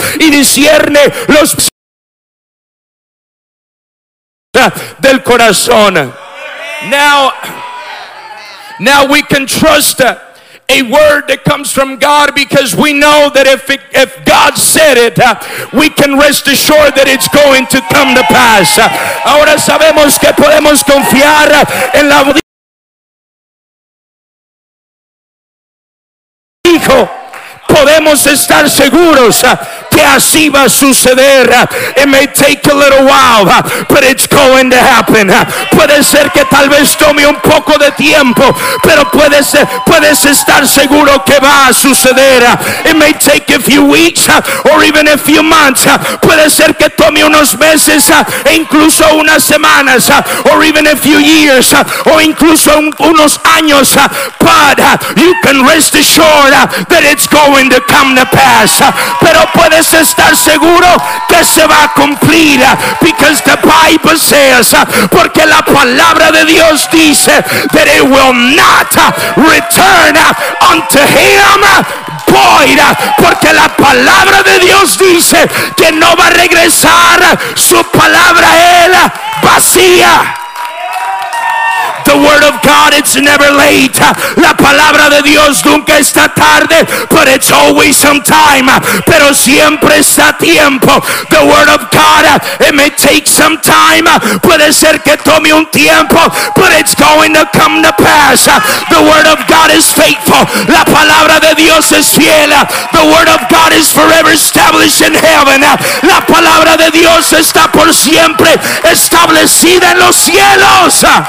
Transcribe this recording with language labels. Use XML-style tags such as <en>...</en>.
<es>Y discierne los del corazón.</es> <en>Now we can trust a word that comes from God, because we know that if God said it, we can rest assured that it's going to come to pass.</en> <es>Ahora sabemos que podemos confiar en la Hijo. Podemos estar seguros que así va a suceder.</es> <en>It may take a little while, but it's going to happen.</en> <es>Puede ser que tal vez tome un poco de tiempo, pero puedes estar seguro que va a suceder.</es> <en>It may take a few weeks, or even a few months.</en> <es>Puede ser que tome unos meses, e incluso unas semanas,</es> <en>or even a few years,</en> <es>o incluso unos años.</es> <en>But you can rest assured that it's going to come to pass.</en> <es>Pero puedes estar seguro que se va a cumplir,</es> <en>because the Bible says,</en> <es>porque la palabra de Dios dice,</es> <en>that it will not return unto him void,</en> <es>porque la palabra de Dios dice que no va a regresar su palabra a él vacía.</es> <en>The word of God, it's never late.</en> <es>La palabra de Dios nunca está tarde,</es> <en>but it's always some time.</en> <es>Pero siempre está tiempo.</es> <en>The word of God, it may take some time.</en> <es>Puede ser que tome un tiempo,</es> <en>but it's going to come to pass. The word of God is faithful.</en> <es>La palabra de Dios es fiel.</es> <en>The word of God is forever established in heaven.</en> <es>La palabra de Dios está por siempre establecida en los cielos.</es>